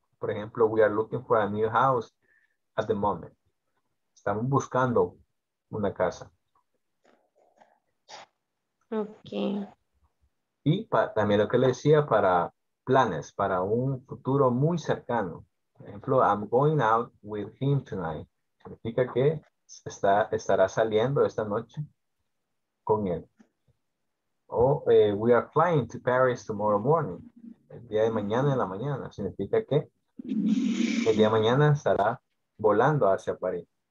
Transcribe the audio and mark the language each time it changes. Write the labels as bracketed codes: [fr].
[es] Por ejemplo, [en] we are looking for a new house at the moment. [es] Estamos buscando una casa. [en] Okay. [es] Y también lo que le decía para planes, para un futuro muy cercano. Por ejemplo, [en] I'm going out with him tonight. [es] Significa que estará saliendo esta noche con él. [en] O we are flying to Paris tomorrow morning. [es] El día de mañana en la mañana. Significa que el día de mañana estará volando hacia París.